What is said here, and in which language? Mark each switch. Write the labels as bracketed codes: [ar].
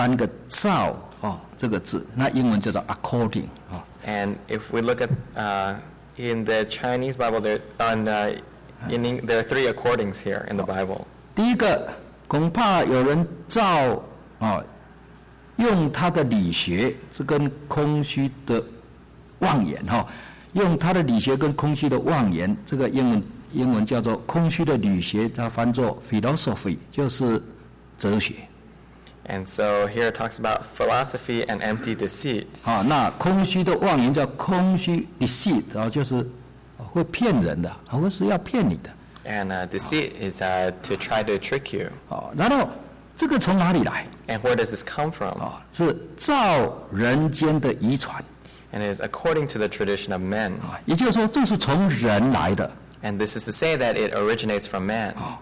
[zh] 好，这个哦，如果看中文有三个"照"哦，这个字，那英文叫做 according. [en] 哦。And if we look at in the Chinese Bible, there are three accordings here in the Bible. [zh] 第一个，恐怕有人照哦，用他的理学，这跟空虚的妄言哈。用他的理学跟空虚的妄言，这个英文叫做空虚的理学，它翻作 philosophy， 就是哲学。 [en] And so here it talks about philosophy and empty deceit. [zh] 那空虚的妄言叫空虚 deceit， 然后就是会骗人的，或是要骗你的。 [en] And deceit is to try to trick you. [zh] 然后这个从哪里来 [en] ？And where does this come from？ [zh] 是照人间的遗传。 [en] And it is according to the tradition of men. [zh] 也就是说，这是从人来的。 [en] And this is to say that it originates from man.